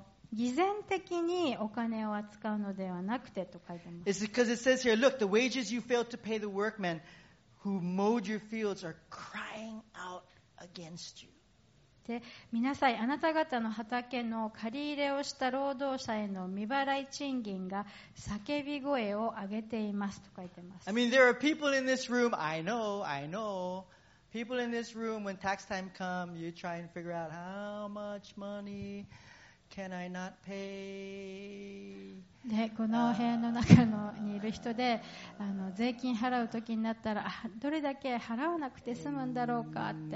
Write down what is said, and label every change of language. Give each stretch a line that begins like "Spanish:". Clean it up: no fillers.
Japanese: 偽善的にお金を扱うのではなくてと書いてます。
English: It's because it says here, look, the wages you failed to pay the workmen who mowed your fields are crying out against you.
Japanese: で見なさい、あなた方の畑の借り入れをした労働者への未払い賃金が叫び声を上げていますと書いてます。
English: I mean, there are people in this room. I know. People in this room, when tax time comes, you try and figure out how much money can I not pay.
Japanese: でこの辺の中のにいる人で、税金払う時になったらどれだけ払わなくて済むんだろうかって。